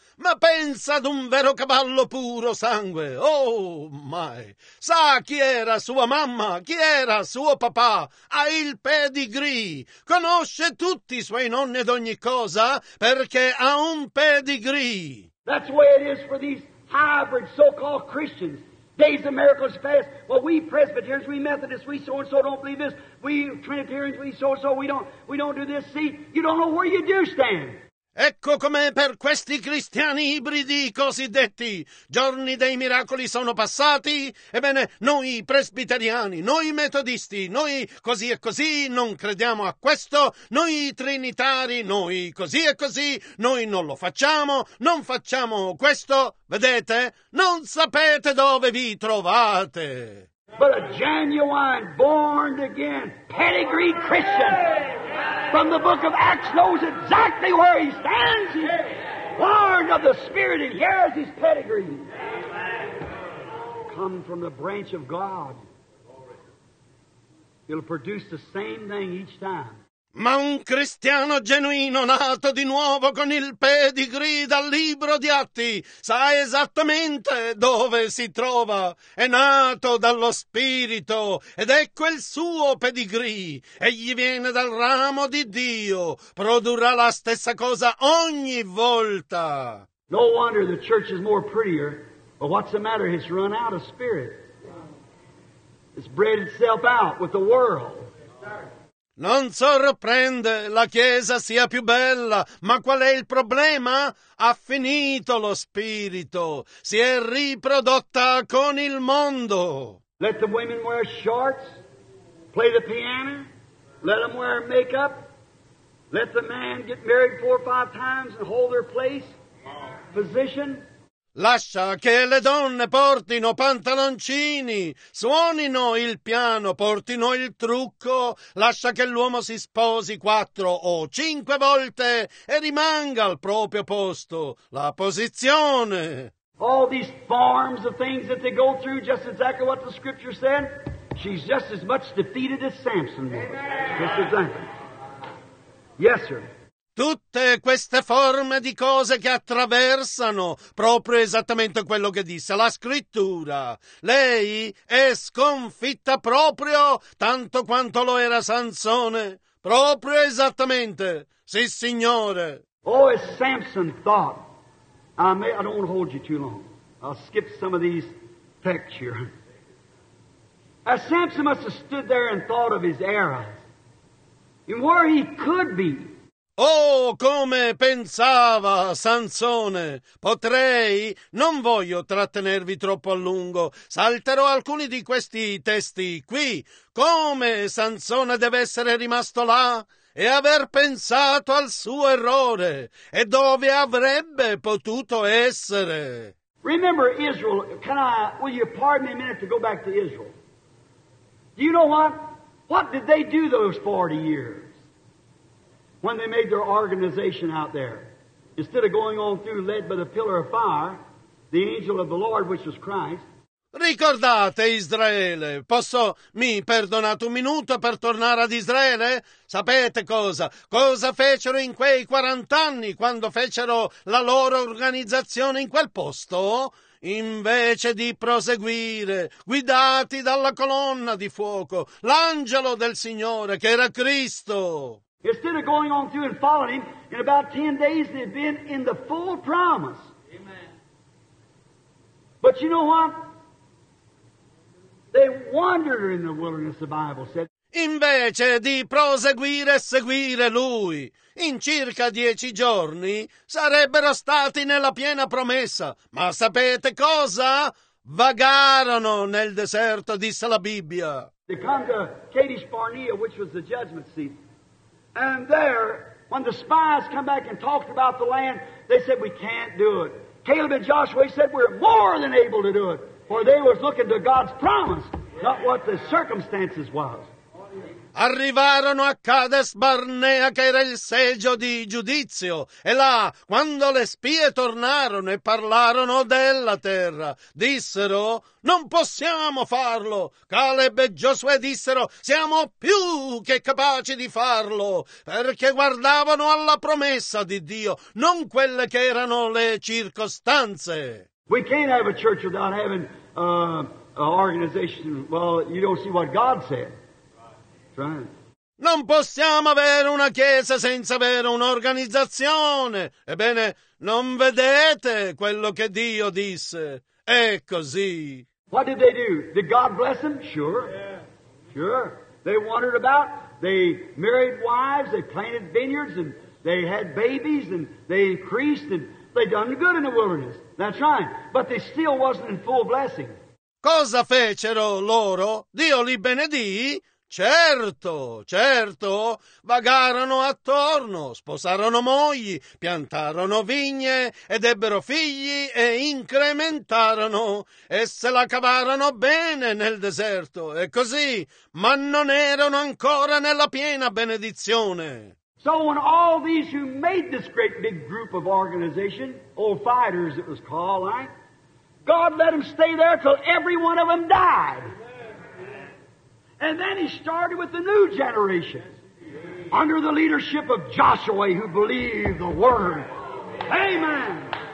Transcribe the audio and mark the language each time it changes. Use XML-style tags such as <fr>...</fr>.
<it>Ma pensa ad un vero cavallo puro sangue. Oh, mai. Sa chi era sua mamma, chi era suo papà. Ha il pedigree. Conosce tutti i suoi nonni ed ogni cosa perché ha un pedigree.</it> <en>That's the way it is for these hybrid so-called Christians. Days of miracles past. Well, we Presbyterians, we Methodists, we so-and-so don't believe this. We Trinitarians, we so-and-so, we don't do this. See, you don't know where you do stand.</en> <it>Ecco com'è per questi cristiani ibridi cosiddetti. Giorni dei miracoli sono passati. Ebbene, noi presbiteriani, noi metodisti, noi così e così non crediamo a questo. Noi trinitari, noi così e così, noi non lo facciamo, non facciamo questo. Vedete? Non sapete dove vi trovate.</it> <en>But a genuine, born again, pedigree Christian from the book of Acts knows exactly where he stands. He's born of the Spirit and hears his pedigree. Come from the branch of God. It'll produce the same thing each time.</en> <it>Ma un cristiano genuino nato di nuovo con il pedigree dal libro di Atti sa esattamente dove si trova. È nato dallo Spirito ed ecco il suo pedigree. Egli viene dal ramo di Dio. Produrrà la stessa cosa ogni volta.</it> <en>No wonder the church is more prettier, but what's the matter? It's run out of spirit. It's bred itself out with the world.</en> <it>Non sorprende, la Chiesa sia più bella, ma qual è il problema? Ha finito lo spirito, si è riprodotta con il mondo.</it> <en>Let the women wear shorts, play the piano, let them wear makeup, let the man get married four or five times and hold their place, position.</en> <it>Lascia che le donne portino pantaloncini, suonino il piano, portino il trucco, lascia che l'uomo si sposi quattro o cinque volte e rimanga al proprio posto, la posizione.</it> <en>All these forms of things that they go through, just exactly what the scripture said, she's just as much defeated as Samson was. Just exactly. Yes, sir.</en> <it>Tutte queste forme di cose che attraversano proprio esattamente quello che disse la scrittura. Lei è sconfitta proprio tanto quanto lo era Sansone. Proprio esattamente. Sì, signore.</it> <en>Oh, as Samson thought. I don't want to hold you too long. I'll skip some of these texts here. As Samson must have stood there and thought of his arrows and where he could be.</en> <it>Oh, come pensava Sansone! Potrei? Non voglio trattenervi troppo a lungo. Salterò alcuni di questi testi qui. Come Sansone deve essere rimasto là e aver pensato al suo errore? E dove avrebbe potuto essere?</it> <en>Remember Israel. Will you pardon me a minute to go back to Israel? Do you know what? What did they do those 40 years? When they made their organization out there, instead of going on through led by the pillar of fire, the angel of the Lord, which was Christ.</en> <it>Ricordate Israele, posso mi perdonate un minuto per tornare ad Israele? Sapete cosa? Cosa fecero in quei 40 anni quando fecero la loro organizzazione in quel posto? Invece di proseguire, guidati dalla colonna di fuoco, l'angelo del Signore che era Cristo.</it> <en>Instead of going on through and following him, in about 10 days they've been in the full promise. Amen. But you know what? They wandered in the wilderness, the Bible said.</en> <it>Invece di proseguire e seguire lui, in circa 10 giorni sarebbero stati nella piena promessa. Ma sapete cosa? Vagarono nel deserto, disse la Bibbia.</it> <en>They come to Kadesh Barnea, which was the judgment seat. And there, when the spies come back and talked about the land, they said, we can't do it. Caleb and Joshua said, we're more than able to do it. For they were looking to God's promise, not what the circumstances was.</en> <it>Arrivarono a Kadesh Barnea, che era il seggio di giudizio. E là, quando le spie tornarono e parlarono della terra, dissero, non possiamo farlo. Caleb e Giosuè dissero, siamo più che capaci di farlo, perché guardavano alla promessa di Dio, non quelle che erano le circostanze.</it> <en>We can't have a church without having an organization. Well, you don't see what God said.</en> <it>Non possiamo avere una chiesa senza avere un'organizzazione. Ebbene, non vedete quello che Dio disse? È così.</it> <en>What did they do? Did God bless them? Sure. Sure. They wandered about. They married wives. They planted vineyards and They had babies and they increased and they done good in the wilderness. That's right. But they still wasn't in full blessing.</en> <it>Cosa fecero loro? Dio li benedì? Certo, certo, vagarono attorno, sposarono mogli, piantarono vigne ed ebbero figli e incrementarono e se la cavarono bene nel deserto e così, ma non erano ancora nella piena benedizione.</it> <en>So when all these who made this great big group of organization, old fighters it was called, right? God let them stay there till every one of them died. And then he started with the new generation under the leadership of Joshua who believed the word. Amen.</en>